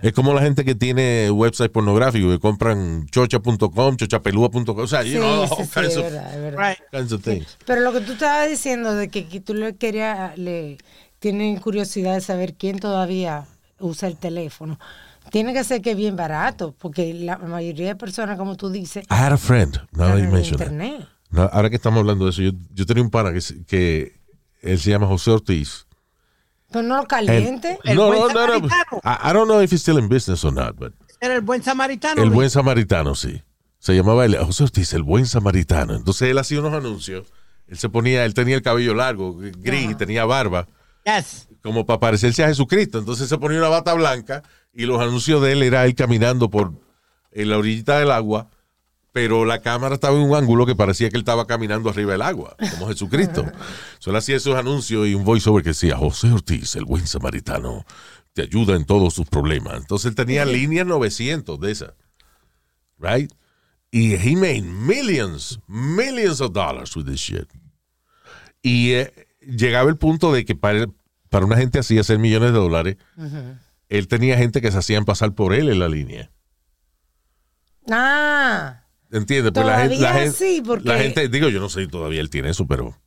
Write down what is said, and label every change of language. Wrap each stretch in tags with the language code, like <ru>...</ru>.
<es>Es como la gente que tiene website pornográfico que compran chocha.com, chochapelúa.com, o sea,</es> <en>you know,</en> <es>pero lo que tú estabas diciendo de que tú le querías, le tienen curiosidad de saber quién todavía usa el teléfono, tiene que ser que bien barato, porque la mayoría de personas, como tú dices,</es> <en>I had a friend, now you mentioned it.</en> <es>No, ahora que estamos hablando de eso, yo tenía un pana que él se llama José Ortiz. Pero no lo caliente. El buen samaritano.</es> <en>I don't know if he's still in business or not, but</en> <es>era el buen samaritano. El buen samaritano, sí. se llamaba el José Ortiz, el buen samaritano. Entonces él hacía unos anuncios. Él se ponía, él tenía el cabello largo, gris, uh-huh. Y tenía barba.</es> <en>Yes.</en> <es>Como para parecerse a Jesucristo. Entonces se ponía una bata blanca y los anuncios de él era él caminando por en la orillita del agua, pero la cámara estaba en un ángulo que parecía que él estaba caminando arriba del agua, como Jesucristo. Solo hacía esos anuncios y un voiceover que decía, José Ortiz, el buen samaritano, te ayuda en todos sus problemas. Entonces él tenía líneas 900 de esas,</es> <en>right?</en> <es>Y</es> <en>he made millions, millions of dollars with this shit.</en> <es>Y llegaba el punto de que para una gente así hacer millones de dólares, uh-huh. Él tenía gente que se hacían pasar por él en la línea. ¡Ah! Entiende, pues la gente, digo, yo no sé si todavía él tiene eso, pero</es>